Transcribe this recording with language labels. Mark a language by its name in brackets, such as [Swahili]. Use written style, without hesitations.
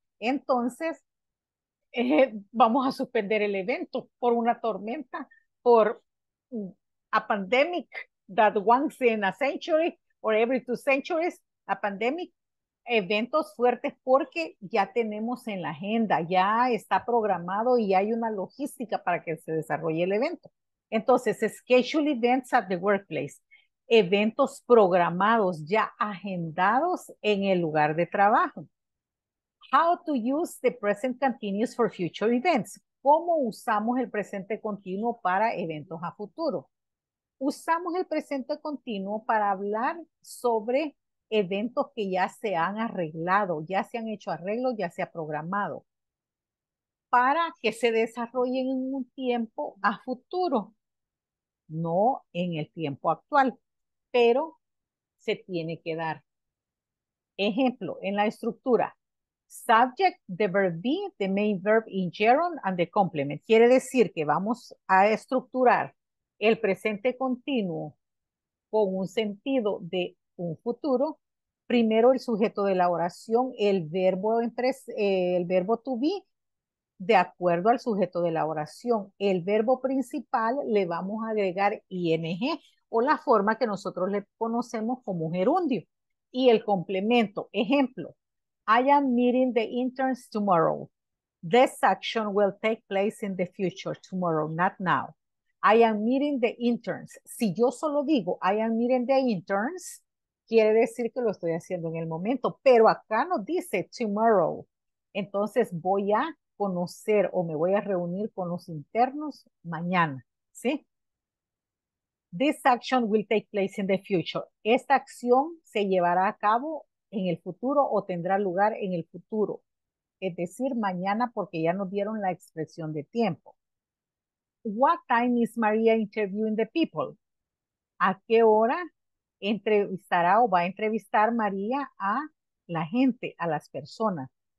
[Spanish] Entonces, vamos a suspender el evento por una tormenta, por [English] a pandemic that once in a century or every two centuries, a pandemic, [Spanish] eventos fuertes porque ya tenemos en la agenda, ya está programado y hay una logística para que se desarrolle el evento. [English] Entonces, schedule events at the workplace. [Spanish] Eventos programados ya agendados en el lugar de trabajo. [English] How to use the present continuous for future events. [Spanish] ¿Cómo usamos el presente continuo para eventos a futuro? Usamos el presente continuo para hablar sobre eventos que ya se han arreglado, ya se han hecho arreglos, ya se ha programado, para que se desarrollen en un tiempo a futuro, no en el tiempo actual. Pero se tiene que dar. Ejemplo, en la estructura. [English] Subject, the verb be, the main verb in gerund, and the complement. [Spanish] Quiere decir que vamos a estructurar el presente continuo con un sentido de un futuro primero el sujeto de la oración, el verbo to be, de acuerdo al sujeto de la oración. El verbo principal le vamos a agregar ing, o la forma que nosotros le conocemos como gerundio. Y el complemento, ejemplo, [English] I am meeting the interns tomorrow. This action will take place in the future, tomorrow, not now. I am meeting the interns. [Spanish] Si yo solo digo, [English] I am meeting the interns, [Spanish] quiere decir que lo estoy haciendo en el momento, pero acá nos dice tomorrow. Entonces voy a conocer o me voy a reunir con los internos mañana, ¿sí? [English] This action will take place in the future. [Spanish] Esta acción se llevará a cabo en el futuro o tendrá lugar en el futuro. Es decir, mañana, porque ya nos dieron la expresión de tiempo. [English] What time is Maria interviewing the people? [Spanish] ¿A qué hora entrevistará o va a entrevistar María a la gente, a las personas?